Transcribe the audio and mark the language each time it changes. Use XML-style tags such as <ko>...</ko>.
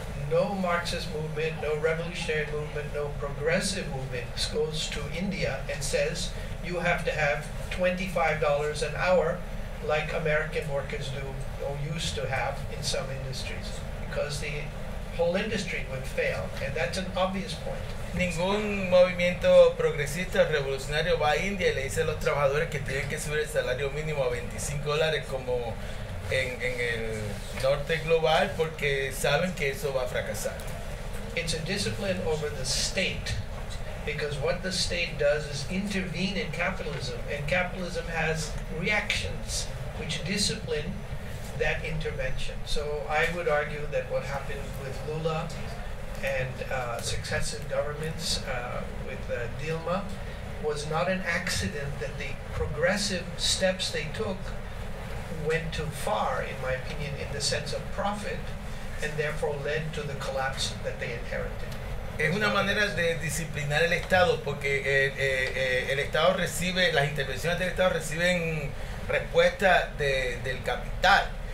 <en>No Marxist movement, no revolutionary movement, no progressive movement goes to India and says you have to have $25 an hour like American workers do or used to have in some industries, because the whole industry would fail, and that's an obvious point.</en> <es>Ningún movimiento progresista revolucionario va a India y le dice a los trabajadores que tienen que subir el salario mínimo a $25 como en el norte global, porque saben que eso va a fracasar.</es> <en>It's a discipline over the state, because what the state does is intervene in capitalism, and capitalism has reactions which discipline that intervention. So I would argue that what happened with Lula and successive governments with Dilma was not an accident, that the progressive steps they took went too far, in my opinion, in the sense of profit, and therefore led to the collapse that they inherited.</en> <es>Es una manera de disciplinar el Estado, porque el Estado recibe, las intervenciones del Estado reciben respuesta del capital.</es>